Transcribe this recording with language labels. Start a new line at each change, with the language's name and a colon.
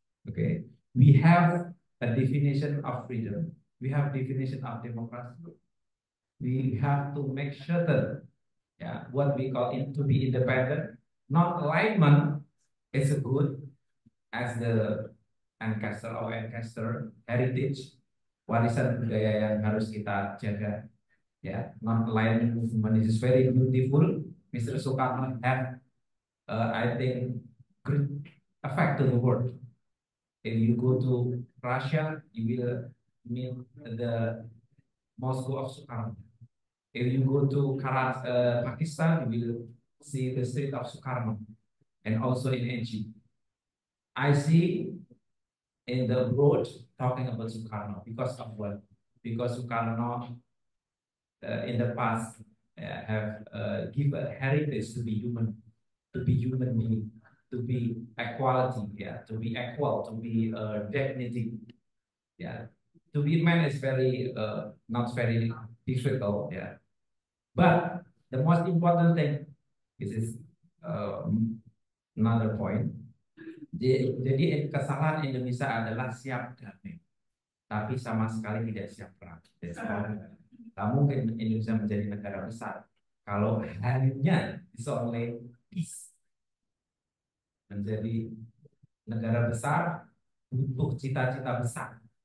English: Okay, we have a definition of freedom. We have definition of democracy. We have to make sure that, yeah, what we call it to be independent, not alignment is good as the ancestor heritage,
Indonesian: warisan budaya yang harus kita jaga.
English: Ya, non-aligned movement is very beautiful. Mr. Sukarno have, I think, great effect to the world. If you go to Russia, you will meet the Moscow of Sukarno. If you go to Pakistan, you will see the street of Sukarno, and also in NG. I see in the road talking about Sukarno because of what? Because Sukarno in the past have give a heritage to be human, to be human meaning, to be equality, yeah, to be equal, to be dignity, yeah. To be man is very not very difficult, yeah. But the most important thing, this is another point.
Indonesian: Jadi kesalahan Indonesia adalah siap damai, tapi sama sekali tidak siap perang. Tidak mungkin Indonesia menjadi negara besar kalau hanya disoleh
English: peace.
Indonesian: Menjadi negara besar butuh cita-cita besar.